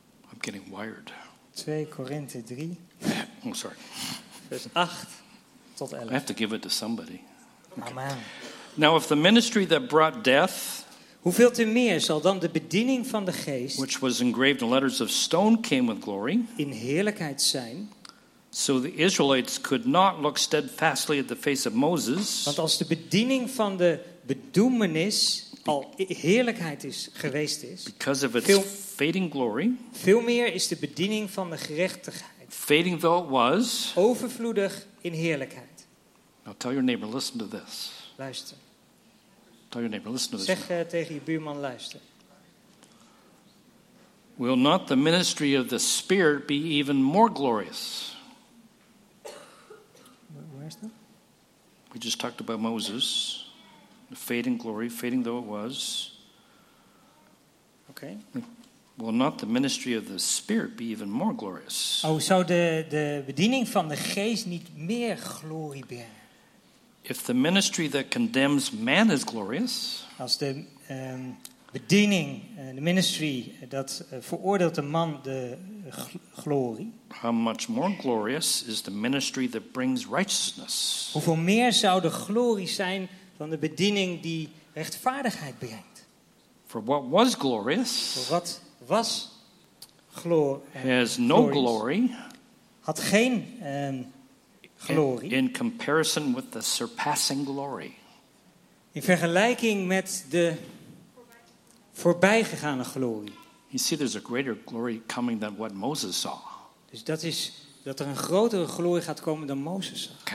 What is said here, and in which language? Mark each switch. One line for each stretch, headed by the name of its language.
English: I'm getting wired.
Dutch: 2 Korinthe 3.
English: I'm sorry.
Dutch: Vers 8 tot 11.
English: I have to give it to somebody. Okay. Amen. Now if the ministry that brought death.
Dutch: Hoeveel te meer zal dan de bediening van de geest.
English: Which was engraved in letters of stone came with glory.
Dutch: In heerlijkheid zijn.
English: So the Israelites could not look steadfastly at the face of Moses.
Dutch: Want als de bediening van de bedoemenis. Al heerlijkheid is geweest is.
English: Because of its fading glory.
Dutch: Veel meer is de bediening van de gerechtigheid.
English: Fading though it was.
Dutch: Overvloedig in heerlijkheid.
English: Now tell your neighbor, listen to this.
Dutch: Luister.
English: Tell your neighbor, listen to this.
Dutch: Zeg tegen je buurman, luister.
English: Will not the ministry of the Spirit be even more glorious? Where is that? We just talked about Moses. Fading glory, fading though it was. Okay. Will not the ministry of the Spirit be even more glorious?
Dutch: Oh, zou de bediening van de geest niet meer glorie brengen?
English: If the ministry that condemns man is glorious.
Dutch: Als de bediening, de ministry dat veroordeelt de man de glorie.
English: How much more glorious is the ministry that brings righteousness?
Dutch: Hoeveel meer zou de glorie zijn van de bediening die rechtvaardigheid brengt.
English: For what was glorious. For what was glory. Has no glory.
Dutch: Had geen glorie.
English: In comparison with the surpassing glory.
Dutch: In vergelijking met de voorbijgegane glorie.
English: You see, there's a greater glory coming than what Moses saw.
Dutch: Dus dat is dat er een grotere glorie gaat komen dan Mozes zag.